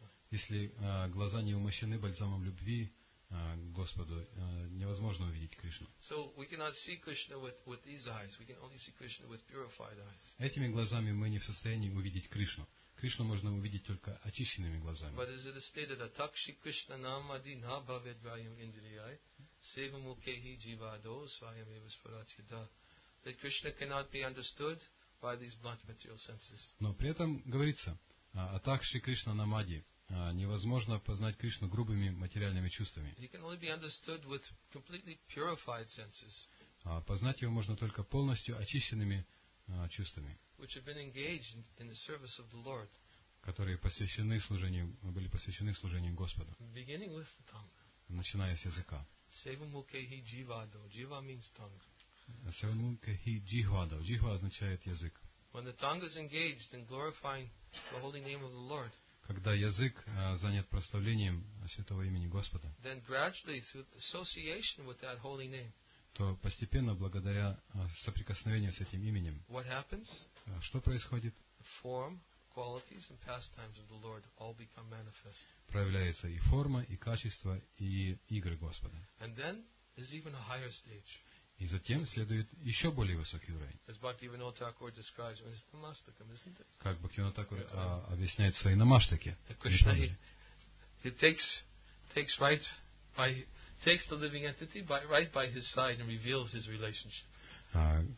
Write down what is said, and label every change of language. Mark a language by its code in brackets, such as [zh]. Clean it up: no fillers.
[ru] Если глаза не умощены бальзамом любви Господу, невозможно увидеть Кришну. [en] So we cannot see Krishna with these eyes. We can only see Krishna with purified eyes. [ru] Этими глазами мы не в состоянии увидеть Кришну. Кришну можно увидеть только очищенными глазами. [sa] But as it is stated, Atakshi Krishna Namadi Nabhavedvayam Indriyai Sevamukehi Jivado Svayam Evasparatyada. [en] That Krishna cannot be understood by these blunt material senses. [ru] Но при этом говорится, [sa] Atakshi Krishna Namadi. [ru] Невозможно познать Кришну грубыми материальными чувствами. [en] He can only be understood with completely purified senses. [ru] Познать его можно только полностью очищенными чувствами, [en] which have been engaged in the service of the Lord. [ru] Которые были посвящены служению Господу. [en] Beginning with the tongue. [ru] Начиная с языка. [sa] Севамукхи дживадо. Джива [en] means tongue. [sa] Севамукхи джихвадо. [ru] Джихва означает язык. [en] When the tongue is engaged in glorifying the holy name of the Lord. [ru] Когда язык занят прославлением святого имени Господа, [en] then gradually, through association with that holy name, [ru] то постепенно, благодаря соприкосновению с этим именем, [en] what happens? [ru] Что происходит? [en] Form, qualities, and pastimes of the Lord all become manifest. [ru] Проявляется и форма, и качество, и игры Господа. [en] And then is even a higher stage. [ru] И затем следует еще более высокий уровень. [en] As Bhaktivinoda Thakur describes, when it's namastakam, isn't it? [ru] Как Бхактивинода Такур объясняет свои намаштаки. [en] Krishna, he takes right by takes the living entity by right by his side and reveals his relationship.